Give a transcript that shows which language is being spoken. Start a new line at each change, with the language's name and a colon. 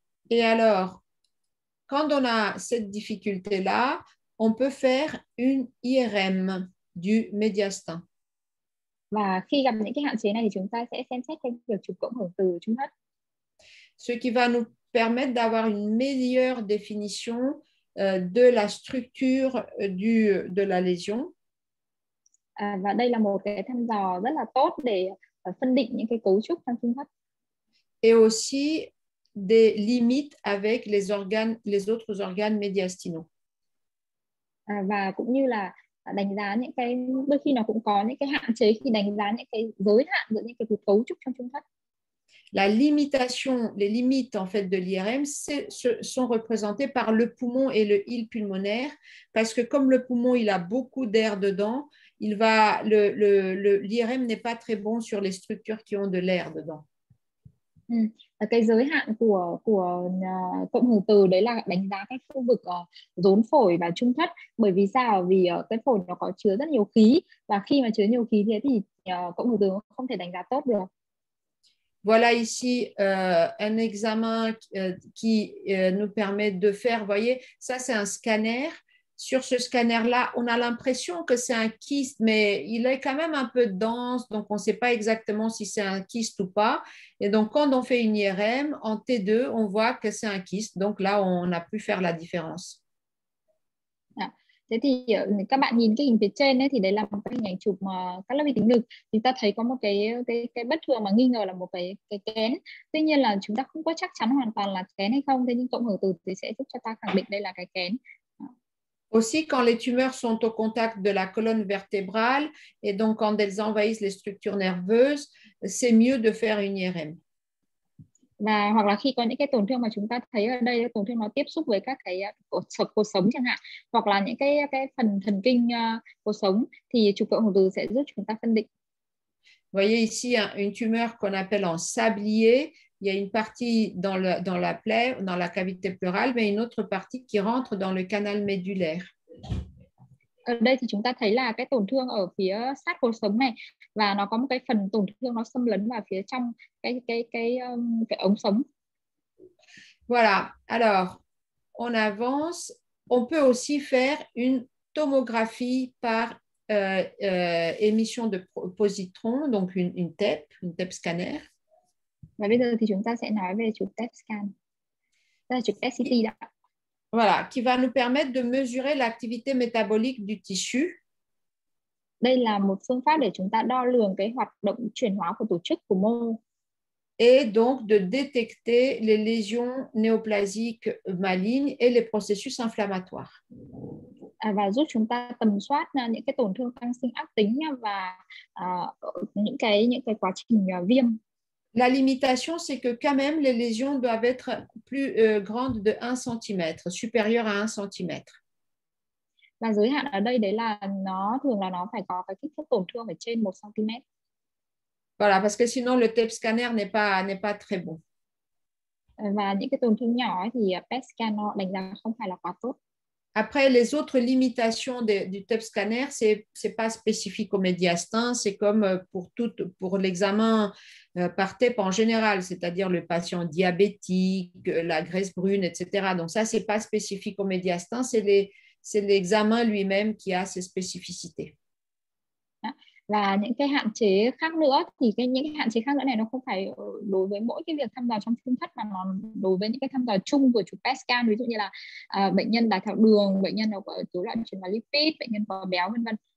French: Et alors, quand on a cette difficulté-là, on peut faire une IRM du médiastin.
Vietnamese: Và khi gặp những cái hạn chế này thì chúng ta sẽ xem xét cái việc chụp cộng hưởng từ trung thất.
French: Ce qui va nous permettre d'avoir une meilleure définition de la structure de la lésion.
Vietnamese: Và đây là một cái thăm dò rất là tốt để phân định những cái cấu trúc trong trung thất.
French: Et aussi des limites avec les autres organes médiastinaux.
Vietnamese: Và cũng như là đánh giá những cái đôi khi nó cũng có những cái hạn chế khi đánh giá những cái giới hạn giữa những cái cấu trúc trong trung thất.
French: La limitation, les limites en fait de l'IRM sont représentées par le poumon et le hile pulmonaire parce que comme le poumon il a beaucoup d'air dedans, l'IRM n'est pas très bon sur les structures qui ont de l'air dedans.
Vietnamese: Cái giới hạn của cộng hưởng từ đấy là đánh giá cái khu vực rốn phổi và trung thất. Bởi vì sao? Vì cái phổi nó có chứa rất nhiều khí và khi mà chứa nhiều khí thế thì cộng hưởng từ không thể đánh giá tốt được.
French: Voilà ici un examen qui nous permet de faire, voyez, ça c'est un scanner. Sur ce scanner-là, on a l'impression que c'est un kyste, mais il est quand même un peu dense, donc on ne sait pas exactement si c'est un kyste ou pas. Et donc, quand on fait une IRM, en T2, on voit que c'est un kyste. Donc là, on a pu faire la différence.
Vietnamese: Thế thì các bạn nhìn cái hình phía trên ấy, thì đấy là một cái hình ảnh chụp cắt lớp vi tính ngực. Thì ta thấy có một cái bất thường mà nghi ngờ là một cái kén. Tuy nhiên là chúng ta không có chắc chắn hoàn toàn là kén hay không. Thế nhưng cộng hưởng từ thì sẽ giúp cho ta khẳng định đây là cái kén.
French: Aussi, quand les tumeurs sont au contact de la colonne vertébrale et donc quand elles envahissent les structures nerveuses, c'est mieux de faire une IRM.
Vietnamese: Và, hoặc là khi có những cái tổn thương mà chúng ta thấy ở đây, tổn thương nó tiếp xúc với các cái cột sống chẳng hạn, hoặc là những cái phần thần kinh cột sống, thì chụp cộng hưởng từ sẽ giúp chúng ta phân định.
French: Voyez ici une tumeur qu'on appelle en sablier. Il y a une partie dans la plaie, dans la cavité pleurale, mais une autre partie qui rentre dans le canal médulaire.
Vietnamese: Ở đây thì chúng ta thấy là cái tổn thương ở phía sát cột sống này và nó có một cái phần tổn thương nó xâm lấn vào phía trong cái ống sống.
French: Voilà. Alors, on avance. On peut aussi faire une tomographie par émission de positrons, donc une TEP scanner.
Vietnamese: Và bây giờ thì chúng ta sẽ nói về chụp PET scan. Đây là chụp PET CT đó.
French: Voilà, qui va nous permettre de mesurer l'activité métabolique du tissu.
Vietnamese: Đây là một phương pháp để chúng ta đo lường cái hoạt động chuyển hóa của tổ chức của mô.
French: Et donc de détecter les lésions néoplasiques malignes et les processus inflammatoires.
Vietnamese: Và giúp chúng ta tầm soát những cái tổn thương tăng sinh ác tính và những cái quá trình viêm.
French: La limitation, c'est que quand même, les lésions doivent être plus grandes de 1 cm, supérieures à 1 cm.
Vietnamese: La giới hạn ở đây, đấy là nó, thường là nó phải có cái kích thước tổn thương ở trên 1 cm.
French: Voilà, parce que sinon, le TEP scanner n'est pas très bon.
Vietnamese: Và những cái tổn thương nhỏ thì PET scan nó đánh giá không phải là quá tốt.
French: Après, les autres limitations du TEP scanner, ce n'est pas spécifique au médiastin, c'est comme pour l'examen par TEP en général, c'est-à-dire le patient diabétique, la graisse brune, etc. Donc ça, ce n'est pas spécifique au médiastin, c'est l'examen lui-même qui a ses spécificités.
Vietnamese: Là, những cái hạn chế khác nữa thì cái những cái hạn chế khác nữa này nó không phải đối với mỗi cái việc thăm dò trong trung thất mà nó đối với những cái thăm dò chung của chụp PET scan, ví dụ như là bệnh nhân đái tháo đường, bệnh nhân có rối loạn chuyển hóa lipid, bệnh nhân có béo vân vân.